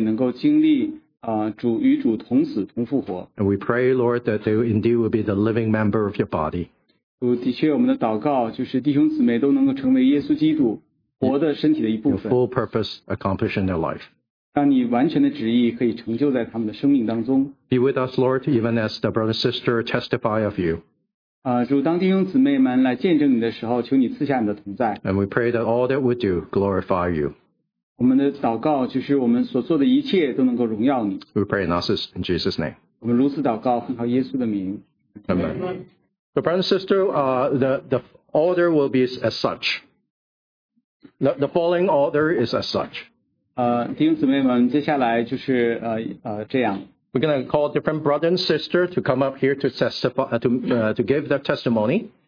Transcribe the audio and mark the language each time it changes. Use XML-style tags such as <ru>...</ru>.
<zh>让我们弟兄姊妹在主耶稣的里面能够经历主与主同死同复活。</zh> <en>And we pray, Lord, that they indeed will be the living member of your body.</en> <zh>的确，我们的祷告就是弟兄姊妹都能够成为耶稣基督活的身体的一部分。</zh> <en>Your full purpose accomplished in their life.</en> <zh>让你完全的旨意可以成就在他们的生命当中。</zh> <en>Be with us, Lord, even as the brother and sister testify of you.</en> <zh>主，当弟兄姊妹们来见证你的时候，求你赐下你的同在。</zh> <en>And we pray that all that we do glorify you.</en> <zh>我们的祷告就是我们所做的一切都能够荣耀你。</zh> <en>We pray in us in Jesus' name.</en> <zh>我们如此祷告，奉靠耶稣的名。</zh> <en>Amen. So, brother and sister, the order will be as such. The following order is as such.</en> <zh>弟兄姊妹们，接下来就是这样。</zh> <en>We're going to call different brother and sister to come up here to testify to give their testimony.</en>